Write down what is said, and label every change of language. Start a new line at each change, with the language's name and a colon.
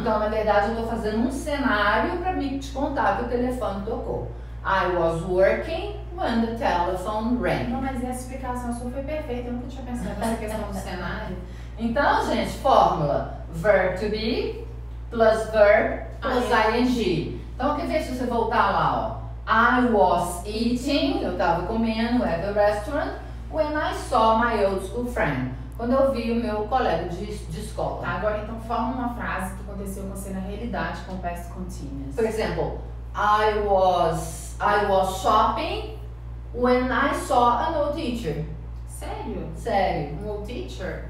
Portuguese: Então, na verdade, eu estou fazendo um cenário para me te contar que o telefone tocou.
English: I was working when the telephone rang.
Portuguese: Não, mas essa explicação sua foi perfeita, eu nunca tinha pensado nessa questão do cenário. Então, gente, fórmula, verb to be plus verb plus ing. Então, quer ver se você voltar lá, ó.
English: I was eating,
Portuguese: eu estava comendo
English: at the restaurant, when I saw my old school friend.
Portuguese: Quando eu vi o meu colega de escola. Tá, agora, então, forma uma frase que aconteceu com você na realidade com past continuous. Por exemplo,
English: I was shopping when I saw an old teacher.
Portuguese: Sério? Um old teacher?